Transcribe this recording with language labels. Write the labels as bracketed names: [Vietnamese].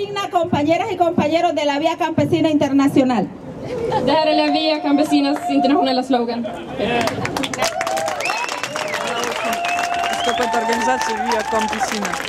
[Spanish] Compañeras y compañeros de la Vía Campesina Internacional. [Swedish] Det här är la Vía Campesina internationella slogan. [English] Yeah. [Spanish] Organización Vía Campesina.